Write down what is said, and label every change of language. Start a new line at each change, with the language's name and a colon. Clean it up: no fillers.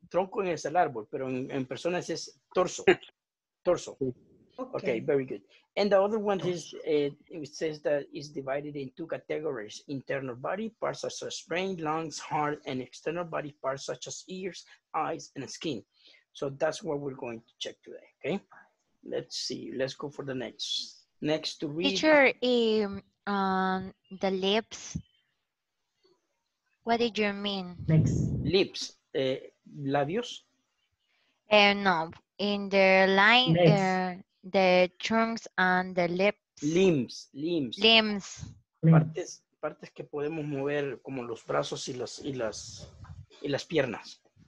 Spanish: Tronco es el árbol, pero en personas es torso.
English: Torso. Okay, very good. And the other one is, it says that it's divided in two categories, internal body parts such as brain, lungs, heart, and external body parts such as ears, eyes, and skin. So that's what we're going to check today, okay? Let's see, let's go for the next. Next to read. Teacher, the lips. What did you mean? Next. Lips. Labios? No. In the line, the trunks and the lips. Limbs.
Spanish: Partes que podemos mover como los brazos y las piernas.